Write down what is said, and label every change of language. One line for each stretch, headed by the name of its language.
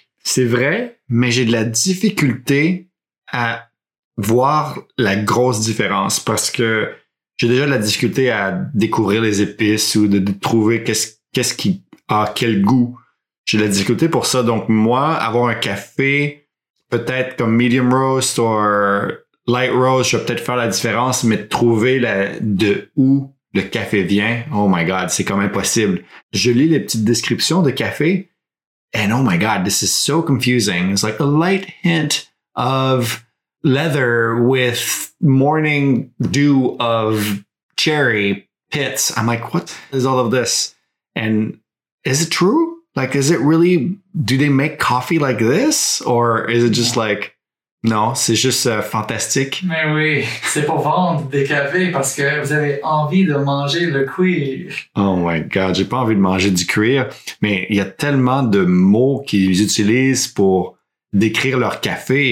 French: C'est vrai, mais j'ai de la difficulté à voir la grosse différence parce que j'ai déjà de la difficulté à découvrir les épices ou de trouver qu'est-ce qui a quel goût. J'ai de la difficulté pour ça. Donc moi, avoir un café peut-être comme medium roast ou light roast, je vais peut-être faire la différence, mais trouver de où le café vient,
English: oh my God,
French: c'est comme impossible. Je lis les petites descriptions de café
English: and oh my God, this is so confusing. It's like a light hint of leather with morning dew of cherry pits. I'm like, what is all of this? And is it true? Like, is it really, do they make coffee like this? Or is it just like, no,
French: c'est juste fantastique. Mais oui, c'est pour vendre des cafés parce que vous avez envie de manger le cuir.
English: Oh my God,
French: j'ai pas envie de manger du cuir. Mais il y a tellement de mots qu'ils utilisent pour décrire leur café.